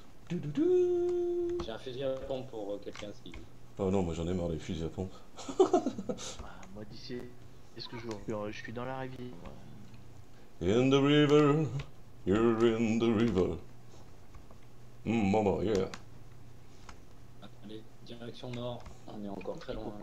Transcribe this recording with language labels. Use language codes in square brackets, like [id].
[fr] J'ai un fusil à pompe pour quelqu'un si. Oh non, moi j'en ai marre des fusils à pompe. Moi d'ici, est-ce que je veux? Je suis dans la rivière. [en] In the river, you're in the river. Mama, yeah. [fr] Allez, direction nord, on est encore très loin.